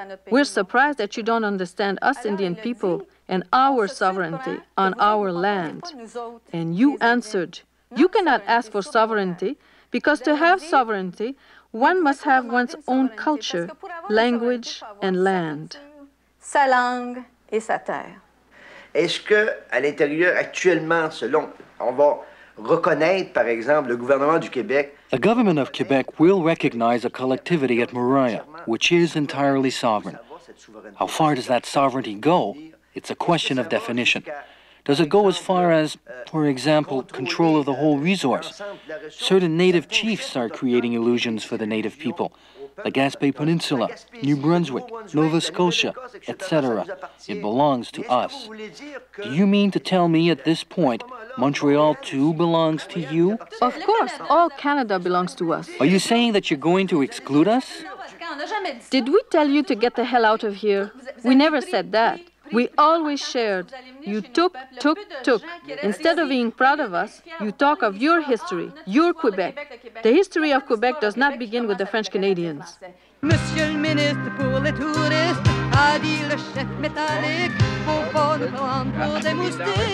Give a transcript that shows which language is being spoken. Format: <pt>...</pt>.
<en>We're surprised that you don't understand us Indian people and our sovereignty on our land." And you answered, "You cannot ask for sovereignty because to have sovereignty, one must have one's own culture, language and land."</en> <fr>Sa langue et sa terre. Est-ce que à l'intérieur actuellement, selon, on va reconnaître, par exemple, le gouvernement du Québec?</fr> <en>The government of Quebec will recognize a collectivity at Moraya, which is entirely sovereign. How far does that sovereignty go? It's a question of definition. Does it go as far as, for example, control of the whole resource? Certain native chiefs are creating illusions for the native people. The Gaspé Peninsula, New Brunswick, Nova Scotia, etc. It belongs to us. Do you mean to tell me at this point, Montreal too belongs to you? Of course, all Canada belongs to us. Are you saying that you're going to exclude us? Did we tell you to get the hell out of here? We never said that. We always shared. You took. Instead of being proud of us, you talk of your history, your Quebec. The history of Quebec does not begin with the French Canadians.</en> <fr>Monsieur le ministre pour les touristes, a dit le chef métallique, faut pas nous prendre pour des moustiques.</fr>